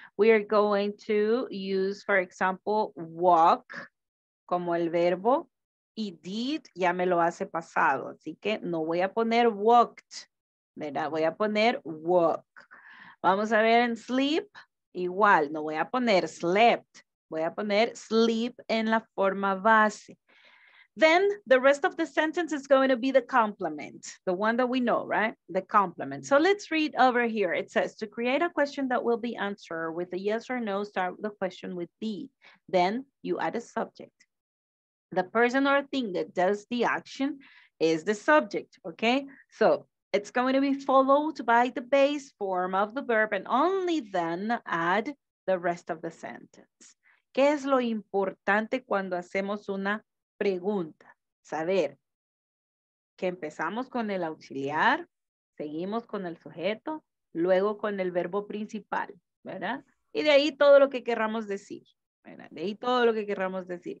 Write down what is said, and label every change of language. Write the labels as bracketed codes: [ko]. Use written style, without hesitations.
[en] We are going to use, for example, [es] walk como el verbo y did ya me lo hace pasado, así que no voy a poner walked, ¿verdad? Voy a poner walk. Vamos a ver en sleep, igual, no voy a poner slept. Voy a poner sleep en la forma base. [en] Then the rest of the sentence is going to be the complement. The one that we know, right? The complement. So let's read over here. It says, to create a question that will be answered with a yes or no, start the question with did. Then you add a subject. The person or thing that does the action is the subject, okay? So it's going to be followed by the base form of the verb and only then add the rest of the sentence. [es] ¿Qué es lo importante cuando hacemos una pregunta? Saber que empezamos con el auxiliar, seguimos con el sujeto, luego con el verbo principal, ¿verdad? Y de ahí todo lo que querramos decir. De ahí todo lo que querramos decir.